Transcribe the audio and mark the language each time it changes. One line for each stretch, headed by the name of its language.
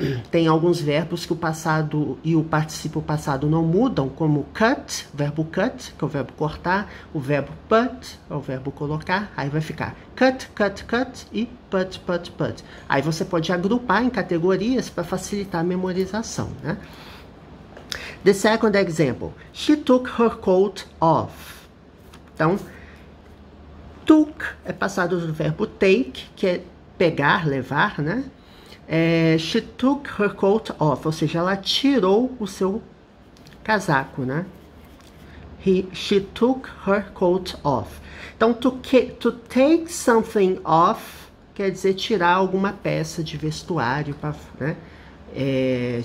Portuguese: Tem alguns verbos que o passado e o participio passado não mudam, como cut, verbo cut, que é o verbo cortar, o verbo put, é o verbo colocar, aí vai ficar cut, cut, cut e put, put, put. Aí você pode agrupar em categorias para facilitar a memorização, né?
English: The second example, she took her coat off.
Portuguese: Então, took é passado do verbo take, que é pegar, levar, né?
English: She took her coat off,
Portuguese: ou seja, ela tirou o seu casaco, né?
English: She took her coat off.
Portuguese: Então,
English: to take something off
Portuguese: quer dizer tirar alguma peça de vestuário, pra, né?